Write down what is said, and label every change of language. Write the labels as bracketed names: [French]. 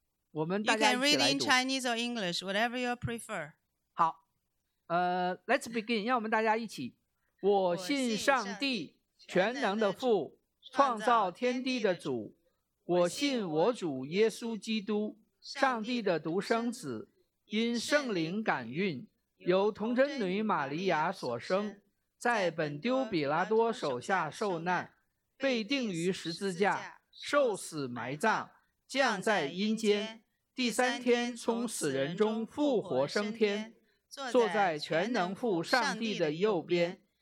[Chinese] 我们大家一起来读。 [English] You can read in Chinese or English, whatever you prefer. [Chinese] 好， [English] Let's begin. [Chinese] 让我们大家一起。我信上帝，全能的父，创造天地的主。我信我主耶稣基督，上帝的独生子，因圣灵感孕，由童贞女玛利亚所生，在本丢比拉多手下受难，被钉于十字架，受死埋葬，降在阴间，第三天从死人中复活升天，坐在全能父上帝的右边。